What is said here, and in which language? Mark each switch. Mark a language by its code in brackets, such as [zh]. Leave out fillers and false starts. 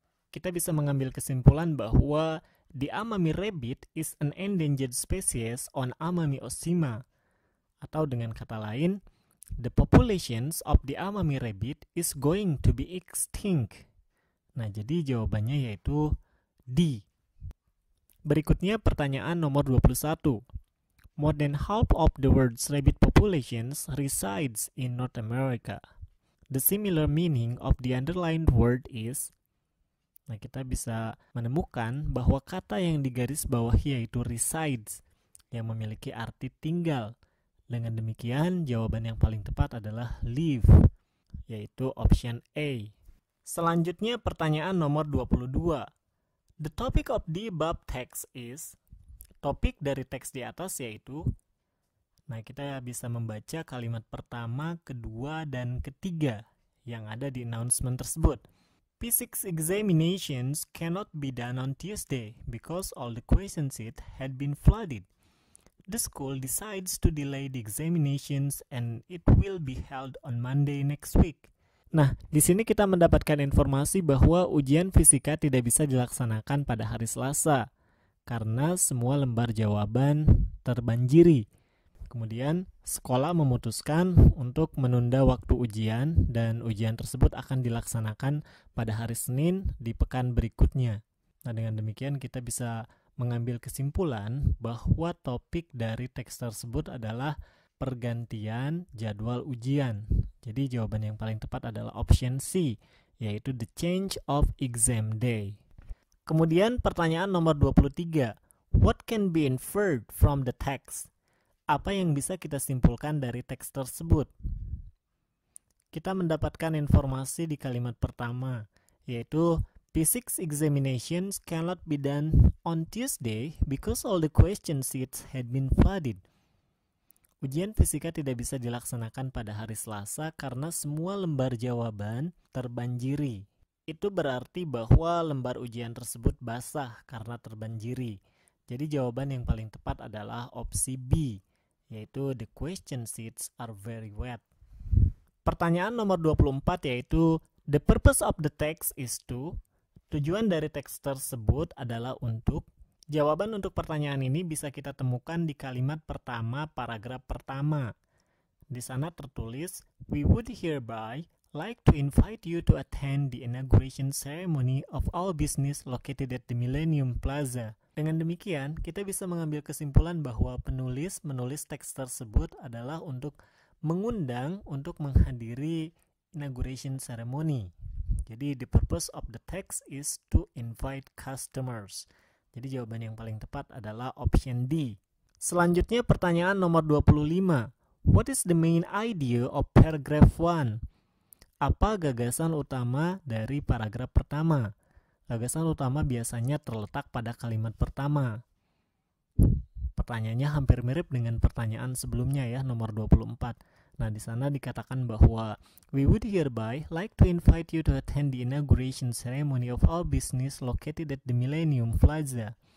[id] Kita bisa mengambil kesimpulan bahwa [en] the Amami rabbit is an endangered species on Amami Oshima. [id] Atau dengan kata lain, [en] the populations of the Amami rabbit is going to be extinct. [id] Nah, jadi jawabannya yaitu D. Berikutnya pertanyaan nomor 21. [en] More than half of the world's rabbit populations resides in North America. The similar meaning of the underlined word is. [id] Nah, kita bisa menemukan bahwa kata yang digaris bawahi yaitu resides, yang memiliki arti tinggal. Dengan demikian, jawaban yang paling tepat adalah live, yaitu option A. Selanjutnya, pertanyaan nomor 22. [en] The topic of the above text is. [id] Topik dari teks di atas yaitu. Nah, kita bisa membaca kalimat pertama, kedua, dan ketiga yang ada di announcement tersebut. [en] Physics examinations cannot be done on Tuesday because all the question sheets had been flooded. The school decides to delay the examinations and it will be held on Monday next week. [id] Nah, di sini kita mendapatkan informasi bahwa ujian fisika tidak bisa dilaksanakan pada hari Selasa karena semua lembar jawaban terbanjiri. Kemudian, sekolah memutuskan untuk menunda waktu ujian dan ujian tersebut akan dilaksanakan pada hari Senin di pekan berikutnya. Nah, dengan demikian kita bisa mengambil kesimpulan bahwa topik dari teks tersebut adalah pergantian jadwal ujian. Jadi jawaban yang paling tepat adalah option C, yaitu [en] the change of exam day. [id] Kemudian pertanyaan nomor 23. [en] What can be inferred from the text? [id] Apa yang bisa kita simpulkan dari teks tersebut? Kita mendapatkan informasi di kalimat pertama, yaitu [en] physics examinations cannot be done on Tuesday because all the question sheets had been flooded. [id] Ujian fisika tidak bisa dilaksanakan pada hari Selasa karena semua lembar jawaban terbanjiri. Itu berarti bahwa lembar ujian tersebut basah karena terbanjiri. Jadi jawaban yang paling tepat adalah opsi B, yaitu [en] the question sheets are very wet. [id] Pertanyaan nomor 24 yaitu [en] the purpose of the text is to. [id] Tujuan dari teks tersebut adalah untuk. Jawaban untuk pertanyaan ini bisa kita temukan di kalimat pertama paragraf pertama. Di sana tertulis, [en] "We would hereby like to invite you to attend the inauguration ceremony of our business located at the Millennium Plaza." [id] Dengan demikian, kita bisa mengambil kesimpulan bahwa penulis menulis teks tersebut adalah untuk mengundang untuk menghadiri [en] inauguration ceremony. Jadi, the purpose of the text is to invite customers. [id] Jadi, jawaban yang paling tepat adalah option D. Selanjutnya, pertanyaan nomor 25. [en] What is the main idea of paragraph 1? [id] Apa gagasan utama dari paragraf pertama? Gagasan utama biasanya terletak pada kalimat pertama. Pertanyaannya hampir mirip dengan pertanyaan sebelumnya ya, nomor 24. Nah, di sana dikatakan bahwa [en] we would hereby like to invite you to attend the inauguration ceremony of our business located at the Millennium Plaza.